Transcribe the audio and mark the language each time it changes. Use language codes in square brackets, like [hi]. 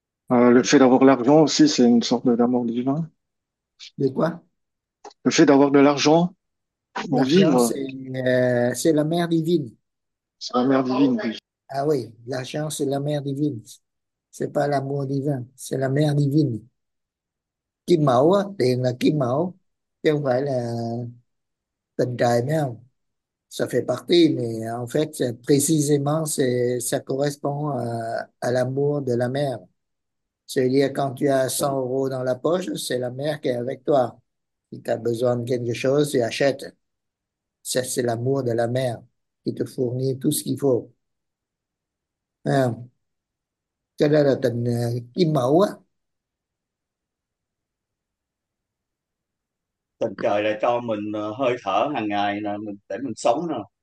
[fr] Le fait d'avoir l'argent aussi, c'est une sorte d'amour divin. De quoi? Le fait d'avoir de l'argent pour L'argent, vivre, c'est la mère divine. c'est la mère divine. Ah oui, l'argent, c'est la mère divine. C'est pas l'amour divin, c'est la mère divine. [vi] Kim mẫu á, tiền là kim mẫu, chứ không phải là tình trời, mấy không? [fr] Ça fait partie, mais en fait, précisément, ça correspond à l'amour de la mère. C'est-à-dire, quand tu as 100 euros dans la poche, c'est la mère qui est avec toi. Si tu as besoin de quelque chose, tu achètes. Ça, c'est l'amour de la mère qui te fournit tout ce qu'il faut. [vi] À, cho nên là tình kim mẫu á. Tình trời là cho mình hơi thở hàng ngày là mình để mình sống nè.